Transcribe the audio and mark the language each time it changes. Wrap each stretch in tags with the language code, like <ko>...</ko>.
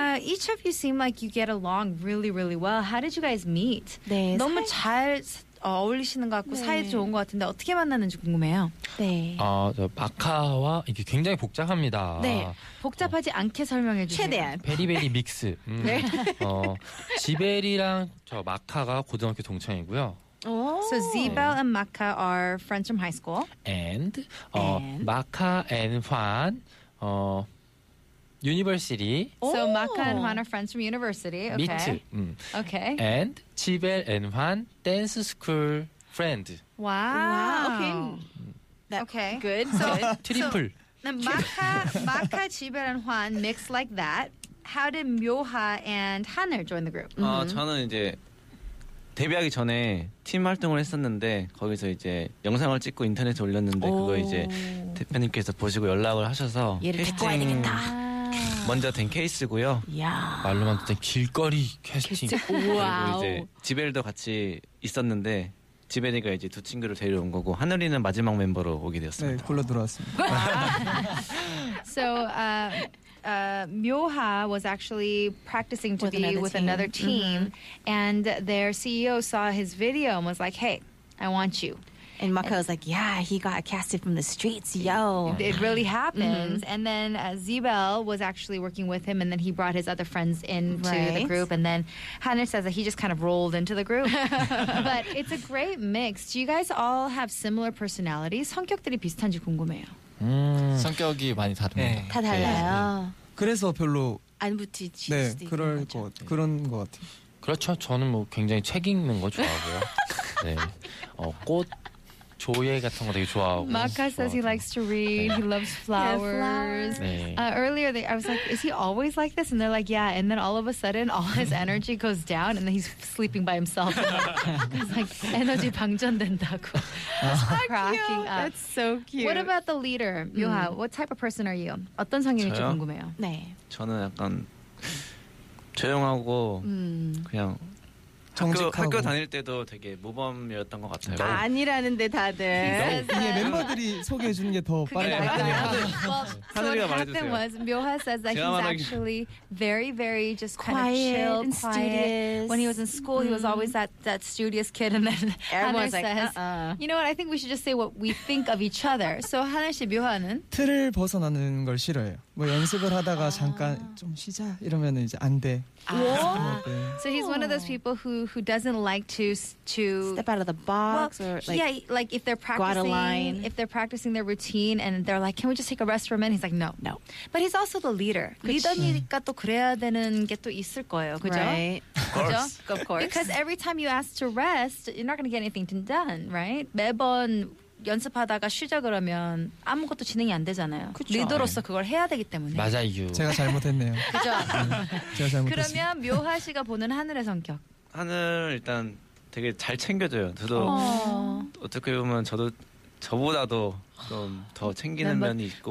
<en>Each of you seem like you get along really, really well. How did you guys meet?</en> <ko>네, 너무 잘 어울리시는 것 같고 네. 사이 좋은 것 같은데 어떻게 만났는지 궁금해요. 네. 저 마카와 이게 굉장히 복잡합니다. 네. 복잡하지 않게 설명해 주세요. 최대한.</ko> <en>베리베리 믹스. 네.</en> <ko>지벨이랑 저 마카가 고등학교 동창이고요.</ko> <en>Oh. So Zibel and Maka are friends from high school. And, Maka and Juan, university. So Maka and Juan are friends from university. Okay. Me too. Okay. And Zibel and Juan, dance school friend. Wow. Wow. Okay. Good. So triple. Maka, Zibel and Juan mix like that. How did Myoha and Haner join the group?</en> <ko>저는 이제 데뷔하기 전에 팀 활동을 했었는데 거기서 이제 영상을 찍고 인터넷에 올렸는데 그거 이제 대표님께서 보시고 연락을 하셔서 얘를 캐스팅 듣고 와야 되겠다. 먼저 된 케이스고요. 야. 말로만 듣던 길거리 캐스팅. 그리고 이제 지벨도 같이 있었는데 지벨이가 이제 두 친구를 데려온 거고 하늘이는 마지막 멤버로 오게 되었습니다. 네, 골로 들어왔습니다.</ko> <en>So, Myoha was actually practicing to be with another team, and their CEO saw his video and was like, hey, I want you. And Maka was like, yeah, he got casted from the streets, yo. It really happens. Mm-hmm. And then Zibel was actually working with him, and then he brought his other friends into the group. And then Hannah says that he just kind of rolled into the group. But it's a great mix. Do you guys all have similar personalities?</en> <ko>성격들이 비슷한지 궁금해요. 성격이 많이 다릅니다. 네. 다 달라요. 네. 네. 그래서 별로 안 붙이지. 네, 그럴 거 같아요. 그런 거 같아요. 그렇죠. 저는 뭐 굉장히 책 읽는 거 좋아하고요. 네, 꽃 조예 같은 거 되게 좋아하고.</ko> <en>Maka says he likes to read.</en> <ko>네.</ko> <en>He loves flowers. Yeah, flowers.</en> <ko>네.</ko> <en>Earlier, I was like, is he always like this? And they're like, yeah. And then all of a sudden, all his energy goes down, and then he's sleeping by himself. He's like,</en> <ko>에너지 방전된다고.</ko> <en>Cracking up. That's so cute. What about the leader, Myoha? What type of person are you?</en> <ko>어떤 성격인지 궁금해요. 네. 저는 약간 조용하고 그냥. 학교 다닐 때도 되게 모범이었던 것 같아요. 아니라는데 다들. 이게 멤버들이 소개해 주는 게 더 빠른 것 같아요.</ko> <en>Well, so what happened was Myoha says that he's actually very, very just kind of chill, quiet. When he was in school, he was always that studious kid. And then Hanner says, you know what, I think we should just say what we think of each other. So Hanner 씨, Myoha는?</en> <ko>틀을 벗어나는 걸 싫어해요. 뭐 연습을 하다가 잠깐 좀 쉬자 이러면 이제 안 돼.</ko> <en>So he's one of those people who doesn't like to step out of the box if they're practicing their routine and they're like, can we just take a rest for a minute? He's like, no. But he's also the leader.</en> <ko>리더니까 또 그래야 되는 게 또 있을 거예요, 그죠?</ko> <en>Right. Of course. Because every time you ask to rest, you're not going to get anything done, right?</en> <ko>매번 연습하다가 쉬자 그러면 아무것도 진행이 안 되잖아요. 그쵸. 리더로서 그걸 해야 되기 때문에. 맞아요. 제가 잘못했네요. 그죠? 제가 잘못했어요. 그러면 묘하 씨가 보는 하늘의 성격. 하늘 일단 되게 잘 챙겨줘요. 저도 어떻게 보면 저보다도 좀 더 챙기는 면이 있고</ko>